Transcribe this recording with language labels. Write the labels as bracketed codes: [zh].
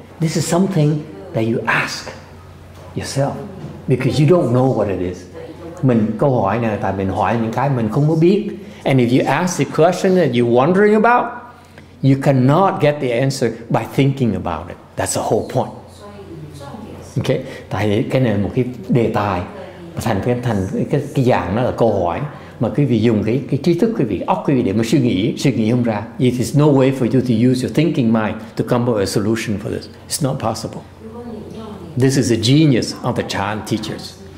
[en] This is something that you ask yourself because you don't know what it is. [vi] Mình câu hỏi này tại mình hỏi những cái mình không có biết. [en] And if you ask the question that you're wondering about, you cannot get the answer by thinking about it. That's the whole point. Okay? [vi] Tại cái này là một cái đề tài, thành cái dạng đó là câu hỏi. Mà quý vị dùng cái trí thức quý vị, óc quý vị để mà suy nghĩ không ra. [en] It is no way for you to use your thinking mind to come up with a solution for this. It's not possible. This is the genius of the Chan teachers.